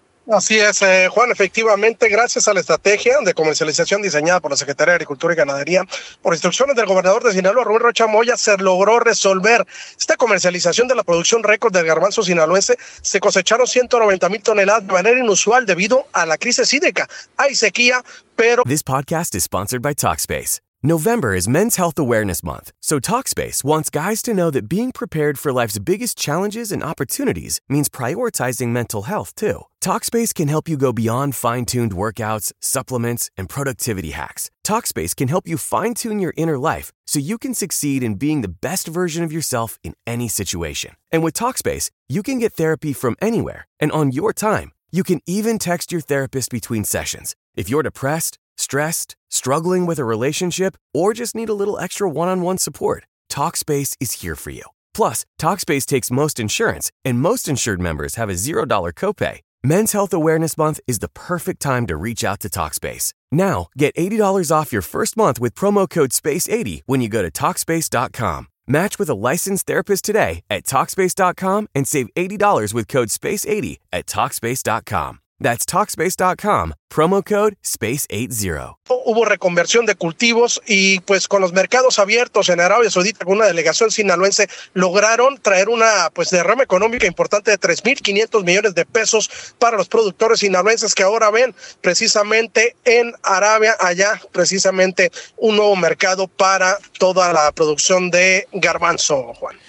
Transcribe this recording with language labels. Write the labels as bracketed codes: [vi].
[es] Así es, Juan, efectivamente, gracias a la estrategia de comercialización diseñada por la Secretaría de Agricultura y Ganadería, por instrucciones del gobernador de Sinaloa, Rubén Rocha Moya, se logró resolver esta comercialización de la producción récord del garbanzo sinaloense. Se cosecharon 190 mil toneladas de manera inusual debido a la crisis hídrica. Hay sequía, pero... [en] This podcast is sponsored by Talkspace. November is Men's Health Awareness Month, so Talkspace wants guys to know that being prepared for life's biggest challenges and opportunities means prioritizing mental health, too. Talkspace can help you go beyond fine-tuned workouts, supplements, and productivity hacks. Talkspace can help you fine-tune your inner life so you can succeed in being the best version of yourself in any situation. And with Talkspace, you can get therapy from anywhere and on your time. You can even text your therapist between sessions. If you're depressed, stressed, struggling with a relationship, or just need a little extra one-on-one support, Talkspace is here for you. Plus, Talkspace takes most insurance, and most insured members have a $0 copay. Men's Health Awareness Month is the perfect time to reach out to Talkspace. Now, get $80 off your first month with promo code SPACE80 when you go to Talkspace.com. Match with a licensed therapist today at Talkspace.com and save $80 with code SPACE80 at Talkspace.com. That's Talkspace.com, promo code SPACE80. [es] Hubo reconversión de cultivos y pues con los mercados abiertos en Arabia Saudita, con una delegación sinaloense, lograron traer una pues derrama económica importante de 3.500 millones de pesos para los productores sinaloenses que ahora ven precisamente en Arabia, allá precisamente un nuevo mercado para toda la producción de garbanzo, Juan.